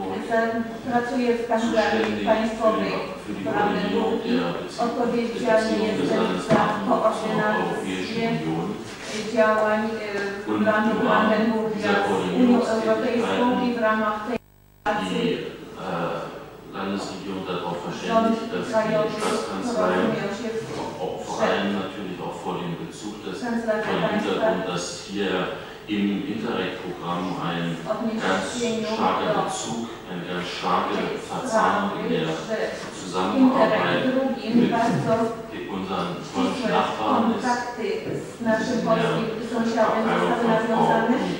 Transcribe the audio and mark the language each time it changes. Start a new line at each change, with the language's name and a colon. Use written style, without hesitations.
Polish: der Pracuję w Kancelarii Państwowej w Radzie odpowiedzialny jestem za koordynację działań planu Brandenburg z Unią Europejską i w ramach tej pracy
German: Landesregierung darauf verständigt, dass die Staatskanzlei vor allem natürlich auch vor dem Bezug des Hintergrund, dass hier im Interreg-Programm ein ganz starker Bezug, eine ganz starke Verzahnung in der Zusammenarbeit mit unseren polnischen Nachbarn ist.
Polish: naszym polskim sąsiadem zostały nawiązane.